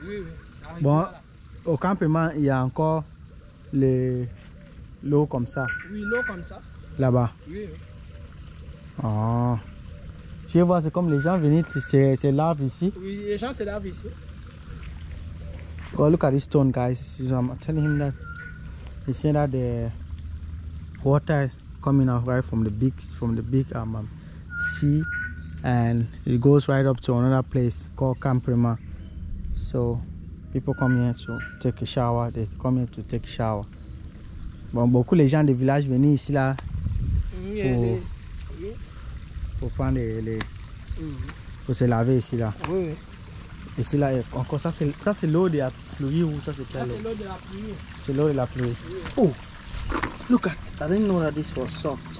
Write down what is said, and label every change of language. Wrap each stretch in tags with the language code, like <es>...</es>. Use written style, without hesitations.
<fr>Oui, oui. Bon, là. Au campement, il y a encore l'eau comme ça. Oui, l'eau comme ça. Là-bas? Oui, Oh. Je vois, c'est comme les gens venaient se laver ici. Oui, les gens se lavent ici.</fr> <en>Oh, look at this stone, guys. I'm telling him that he said that the water is coming out right from the big sea, and it goes right up to another place called Camprima. So people come here to take a shower. They come here to take a shower.</en> <fr>Bon, beaucoup les gens du village venir ici là pour prendre pour se laver ici là. Oui. Ici là encore ça c'est l'eau de la pluie ou ça c'est l'eau? L'eau de la pluie. C'est l'eau de la pluie. Oui.</fr> <en>Oh, look at that. I didn't know that this was soft.</en>